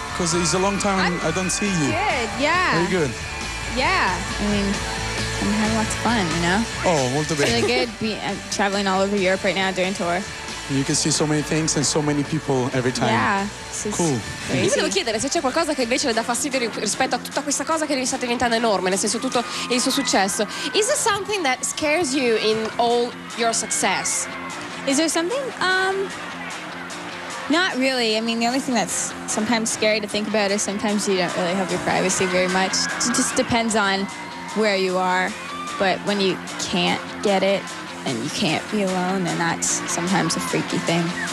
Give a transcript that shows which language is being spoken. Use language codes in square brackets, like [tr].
[en] Because it's a long time I don't see you. Good, yeah. Are you good? Yeah. I mean, I'm having lots of fun, you know? [it] Oh, molto bene. [en] Really good traveling all over Europe right now during tour. You can see so many things and so many people every time. Yeah. Cool. Crazy. [it] Io volevo chiedere se c'è qualcosa che invece le dà fastidio rispetto a tutta questa cosa che sta diventando enorme, nel senso tutto il suo successo. [en] Is there something that scares you in all your success? Is there something? Not really. I mean, the only thing that's sometimes scary to think about is sometimes you don't really have your privacy very much. It just depends on where you are. But when you can't get it and you can't be alone, then that's sometimes a freaky thing.